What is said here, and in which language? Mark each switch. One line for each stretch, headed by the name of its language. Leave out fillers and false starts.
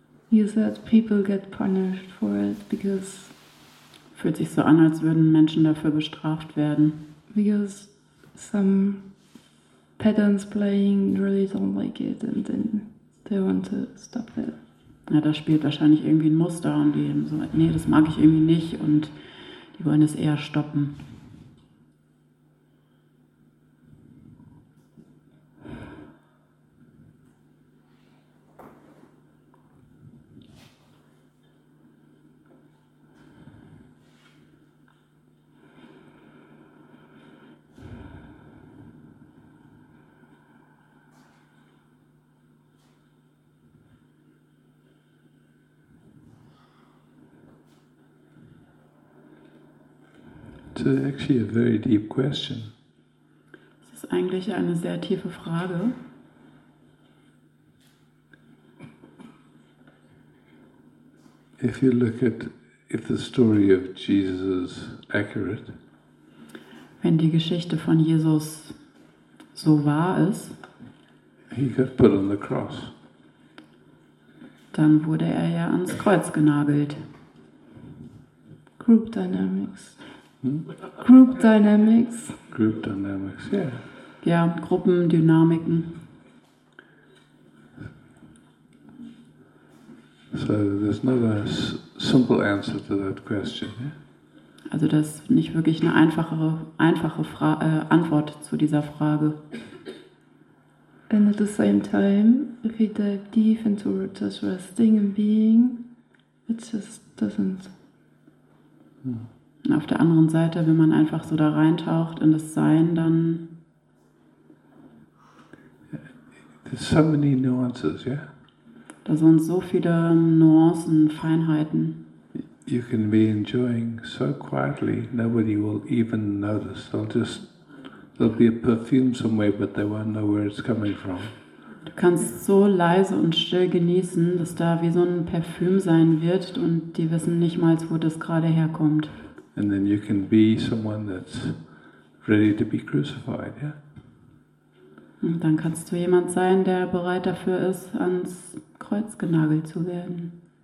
English: You said people get punished for it because
German: fühlt sich so an, als würden Menschen dafür bestraft werden.
English: Because some patterns playing really don't like it and then they want to stop it.
German: ja, da spielt wahrscheinlich irgendwie ein Muster und die eben so, nee, das mag ich irgendwie nicht und die wollen es eher stoppen.
English: It's actually a very deep question.
German: Es ist eigentlich eine sehr tiefe Frage.
English: If you look at if the story of Jesus is accurate.
German: Wenn die Geschichte von Jesus so wahr ist.
English: He got put on the cross.
German: Dann wurde er ja ans Kreuz genagelt.
English: Group dynamics. Group dynamics. Group dynamics, yeah.
German: Ja, Gruppendynamiken.
English: So there's not a simple answer to that question, yeah?
German: Also das ist nicht wirklich eine einfache Antwort zu dieser Frage.
English: And at the same time, if we dive deep into just resting and being, it just doesn't.
German: Auf der anderen Seite, wenn man einfach so da reintaucht in das Sein, dann.
English: There's so many nuances, yeah?
German: Da sind so viele Nuancen, Feinheiten.
English: You can be enjoying so quietly, nobody will even notice. There'll be a perfume somewhere, but they won't know where it's coming from.
German: Du kannst so leise und still genießen, dass da wie so ein Parfüm sein wird und die wissen nicht mal, wo das gerade herkommt.
English: And then you can be someone that's ready to be crucified, yeah?
German: Und dann kannst du jemand sein, der bereit dafür ist, ans Kreuz genagelt zu werden.